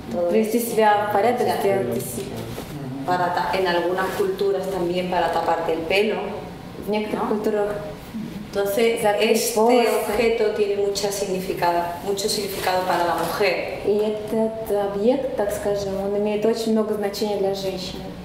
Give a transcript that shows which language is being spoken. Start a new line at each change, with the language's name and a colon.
Russian: привести себя в порядок, сделать
Spanish: para en algunas culturas también para taparte el pelo,
Russian: в некоторых культурах.
Spanish: Entonces, este objeto tiene mucho significado para la mujer. Y este objeto,
Russian: так скажем, он имеет очень много значения для женщины.